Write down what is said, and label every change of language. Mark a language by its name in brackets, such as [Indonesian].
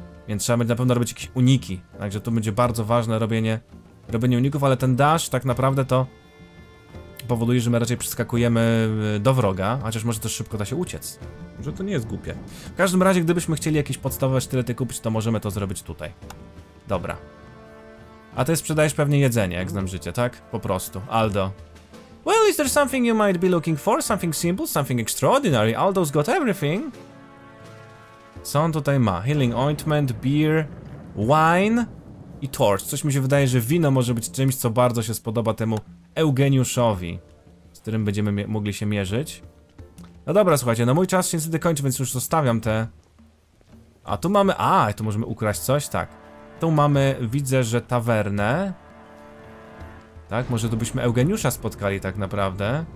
[Polish] Więc trzeba będzie na pewno robić jakieś uniki. Także tu będzie bardzo ważne robienie uników, ale ten dash tak naprawdę to powoduje, że my raczej przeskakujemy do wroga, chociaż może też szybko da się uciec. Może to nie jest głupie. W każdym razie, gdybyśmy chcieli jakieś podstawowe sztylety kupić, to możemy to zrobić tutaj. Dobra. A ty sprzedajesz pewnie jedzenie, jak znam życie, tak? Po prostu. Aldo. [English] Well, is there something you might be looking for? Something simple, something extraordinary? Aldo's got everything. [Polish] Co on tutaj ma? [English] Healing ointment, beer, wine i torch. [Polish] Coś mi się wydaje, że wino może być czymś, co bardzo się spodoba temu Eugeniuszowi, z którym będziemy mogli się mierzyć. No dobra, słuchajcie, no mój czas się niestety kończy, więc już zostawiam te. A tu mamy, a tu możemy ukraść coś, tak. Tu mamy, widzę, że tawernę. Tak, może tu byśmy Eugeniusza spotkali tak naprawdę.